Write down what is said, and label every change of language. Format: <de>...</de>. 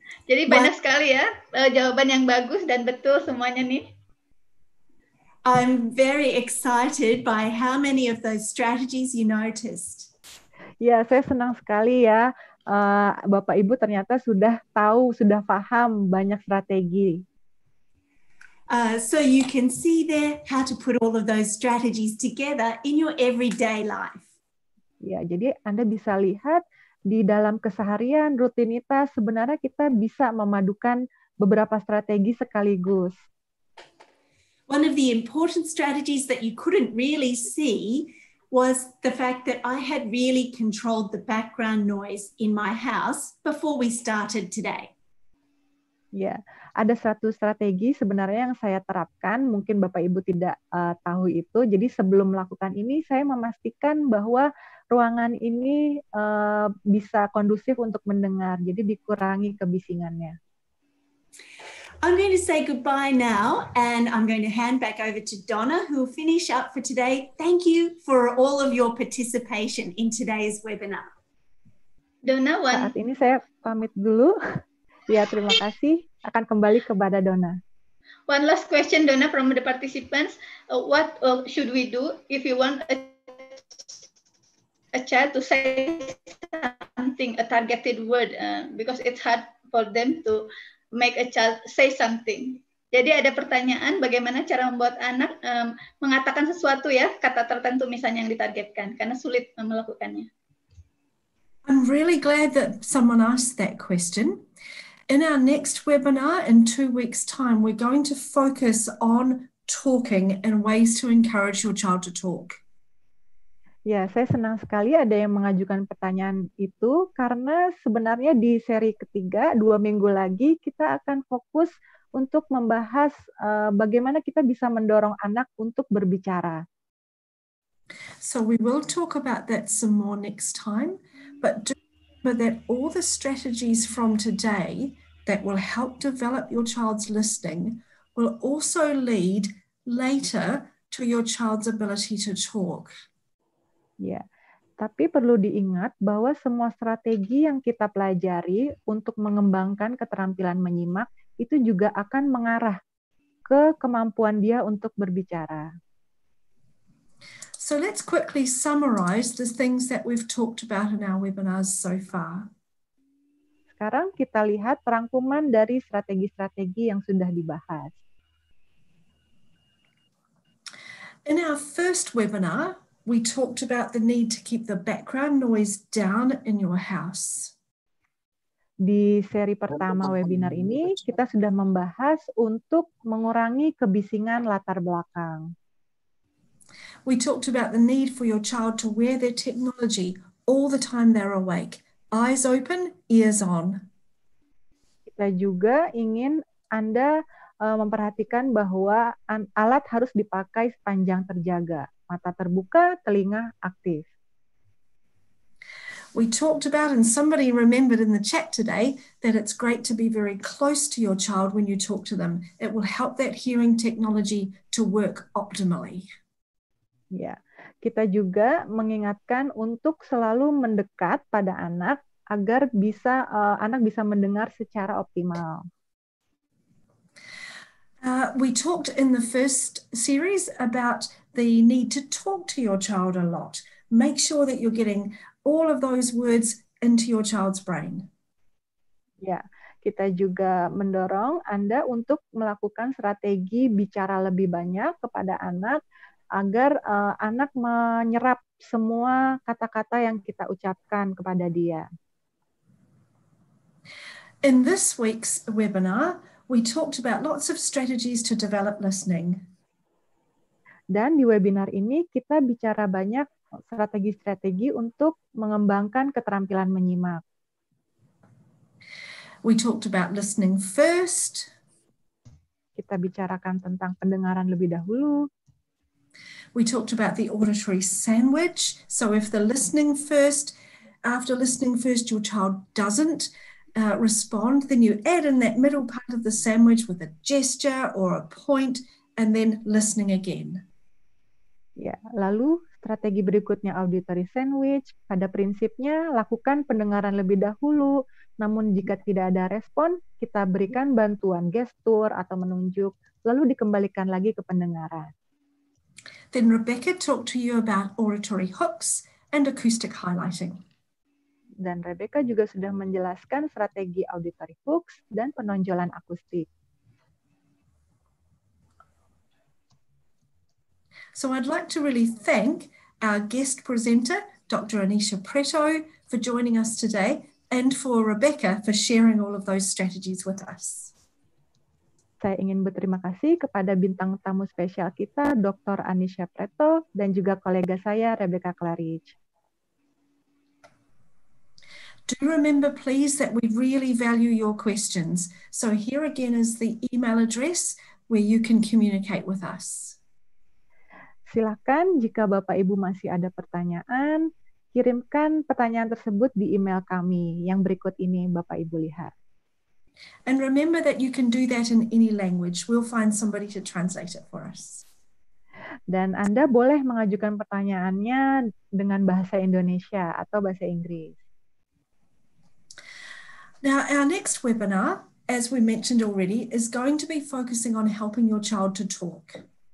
<id>Jadi banyak sekali ya jawaban yang bagus dan betul semuanya nih.</id> <en>I'm very excited by how many of those strategies you noticed.</en> <id>Ya, saya senang sekali ya. Bapak Ibu ternyata sudah tahu, sudah paham banyak strategi.</id> <en>So you can see there how to put all of those strategies together in your everyday life.</en> <id>Ya, jadi Anda bisa lihat di dalam keseharian, rutinitas, sebenarnya kita bisa memadukan beberapa strategi sekaligus.</id> <en>One of the important strategies that you couldn't really see was the fact that I had really controlled the background noise in my house before we started today.</en> <id>Ya, ada satu strategi sebenarnya yang saya terapkan, mungkin Bapak Ibu tidak tahu itu. Jadi sebelum melakukan ini, saya memastikan bahwa ruangan ini bisa kondusif untuk mendengar, jadi dikurangi kebisingannya.</id> <en>I'm going to say goodbye now, and I'm going to hand back over to Donna, who will finish up for today. Thank you for all of your participation in today's webinar.</en> <id>Donna, saat ini saya pamit dulu. Ya, terima kasih. Akan kembali kepada Donna.</id> <en>One last question, Donna, from the participants. What should we do if you want a child to say something, a targeted word, because it's hard for them to make a child say something.</en> <id>Jadi ada pertanyaan bagaimana cara membuat anak mengatakan sesuatu ya, kata tertentu misalnya yang ditargetkan, karena sulit melakukannya.</id> <en>I'm really glad that someone asked that question. In our next webinar in 2 weeks' time, we're going to focus on talking and ways to encourage your child to talk.</en> <id>Ya, saya senang sekali ada yang mengajukan pertanyaan itu, karena sebenarnya di seri ketiga, 2 minggu lagi, kita akan fokus untuk membahas bagaimana kita bisa mendorong anak untuk berbicara.</id> <en>So we will talk about that some more next time, but do remember that all the strategies from today that will help develop your child's listening will also lead later to your child's ability to talk.</en> <id>Ya, tapi perlu diingat bahwa semua strategi yang kita pelajari untuk mengembangkan keterampilan menyimak itu juga akan mengarah ke kemampuan dia untuk berbicara.</id> <en>So let's quickly summarize the things that we've talked about in our webinars so far.</en> <id>Sekarang kita lihat rangkuman dari strategi-strategi yang sudah dibahas.</id> <en>In our first webinar, we talked about the need to keep the background noise down in your house.</en> <id>Di seri pertama webinar ini, kita sudah membahas untuk mengurangi kebisingan latar belakang.</id> <en>We talked about the need for your child to wear their technology all the time they're awake. Eyes open, ears on.</en> <id>Kita juga ingin Anda memperhatikan bahwa alat harus dipakai sepanjang terjaga. Mata terbuka, telinga aktif.</id> <en>We talked about, and somebody remembered in the chat today, that it's great to be very close to your child when you talk to them. It will help that hearing technology to work optimally.</en> <id>Ya, kita juga mengingatkan untuk selalu mendekat pada anak agar bisa anak bisa mendengar secara optimal.</id> <en>We talked in the first series about the need to talk to your child a lot. Make sure that you're getting all of those words into your child's brain.</en> <id>Ya, kita juga mendorong Anda untuk melakukan strategi bicara lebih banyak kepada anak agar anak menyerap semua kata-kata yang kita ucapkan kepada dia.</id> <en>In this week's webinar, we talked about lots of strategies to develop listening.</en> <id>Dan di webinar ini kita bicara banyak strategi-strategi untuk mengembangkan keterampilan menyimak.</id> <en>We talked about listening first.</en> <id>Kita bicarakan tentang pendengaran lebih dahulu.</id> <en>We talked about the auditory sandwich. So if the listening first, after listening first, your child doesn't respond, then you add in that middle part of the sandwich with a gesture or a point, and then listening again.</en> <id>Ya, lalu strategi berikutnya auditory sandwich. Pada prinsipnya, lakukan pendengaran lebih dahulu. Namun jika tidak ada respon, kita berikan bantuan gestur atau menunjuk, lalu dikembalikan lagi ke pendengaran.</id> <en>Then Rebecca talked to you about auditory hooks and acoustic highlighting.</en> <id>Dan Rebecca juga sudah menjelaskan strategi auditory hooks dan penonjolan akustik.</id> <en>So I'd like to really thank our guest presenter, Dr. Anisha Preto, for joining us today and for Rebecca for sharing all of those strategies with us.</en> <id>Saya ingin berterima kasih kepada bintang tamu spesial kita, Dr. Anisha Preto, dan juga kolega saya, Rebecca Claridge.</id> <en>Do remember, please, that we really value your questions. So here again is the email address where you can communicate with us.</en> <id>Silakan, jika Bapak-Ibu masih ada pertanyaan, kirimkan pertanyaan tersebut di email kami yang berikut ini Bapak-Ibu lihat.</id> <en>And remember that you can do that in any language. We'll find somebody to translate it for us.</en> <id>Dan Anda boleh mengajukan pertanyaannya dengan bahasa Indonesia atau bahasa Inggris.</id> <en>Now, our next webinar, as we mentioned already, is going to be focusing on helping your child to talk.</en>